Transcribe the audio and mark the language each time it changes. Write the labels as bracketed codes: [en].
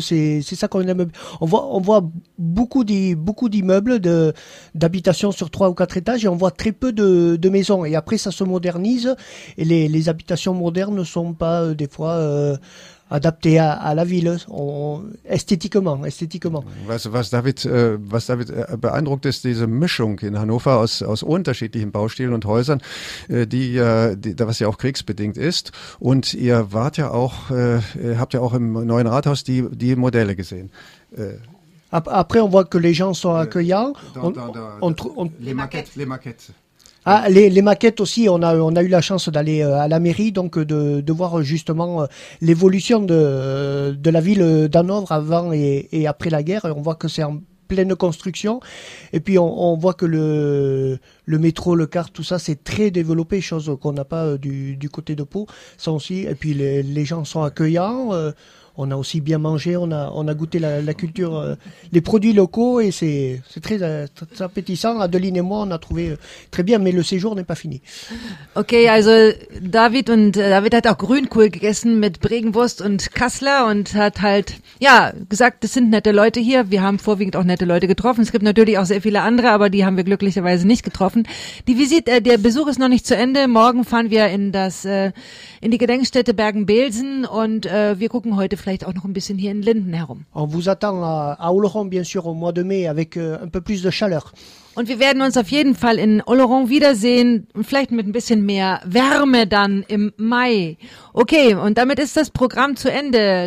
[fr] C'est ça qu'on aime. On voit beaucoup d'immeubles d'habitations sur 3 ou 4 étages et on voit très peu de maisons. Et après ça se modernise et les habitations modernes ne sont pas des fois adapté à la ville, esthétiquement. [de] Was David beeindruckt, ist diese Mischung in Hannover aus unterschiedlichen Baustilen und Häusern, die was ja auch kriegsbedingt ist. Und ihr wart ja auch, habt ja auch im neuen Rathaus die Modelle gesehen. [fr] Après, on voit que les gens sont accueillants. Les maquettes. Ah, les maquettes aussi, on a eu la chance d'aller à la mairie, donc de voir justement l'évolution de la ville d'Hanovre avant et après la guerre. On voit que c'est en pleine construction. Et puis on voit que le métro, le car, tout ça, c'est très développé, chose qu'on n'a pas du côté de Pau. Ça aussi. Et puis les gens sont accueillants. On a aussi bien mangé, on a goûté la culture, les produits locaux, et c'est très, très appétissant. Adeline et moi, on a trouvé très bien, mais le séjour n'est pas fini. [de] Ok, also David hat auch Grünkohl gegessen mit Bregenwurst und Kassler und hat halt, ja, gesagt, es sind nette Leute hier. Wir haben vorwiegend auch nette Leute getroffen. Es gibt natürlich auch sehr viele andere, aber die haben wir glücklicherweise nicht getroffen. Der Besuch ist noch nicht zu Ende. Morgen fahren wir in die Gedenkstätte Bergen-Belsen und wir gucken heute vielleicht auch noch ein bisschen hier in Linden herum. [fr] On vous attend à Oloron, bien sûr, au mois de mai, avec un peu plus de chaleur. [de] Und wir werden uns auf jeden Fall in Oloron wiedersehen, vielleicht mit ein bisschen mehr Wärme dann im Mai. Okay, und damit ist das Programm zu Ende.